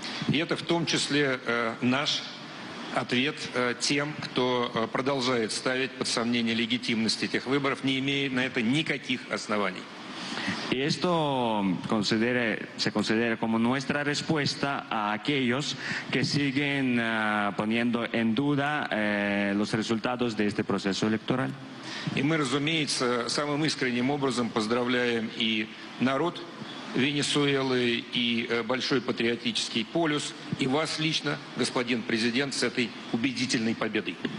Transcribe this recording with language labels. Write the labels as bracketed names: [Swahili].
[Russian] И это в том числе наш ответ тем, кто продолжает ставить под сомнение легитимность этих выборов, не имея на это никаких оснований. [Spanish] Y esto se considera como nuestra respuesta a aquellos que siguen poniendo en duda los resultados de este proceso electoral. Y [Russian] мы, разумеется, самым искренним образом поздравляем и народ Венесуэлы, и большой патриотический полюс, и вас лично, господин президент, с этой убедительной победой.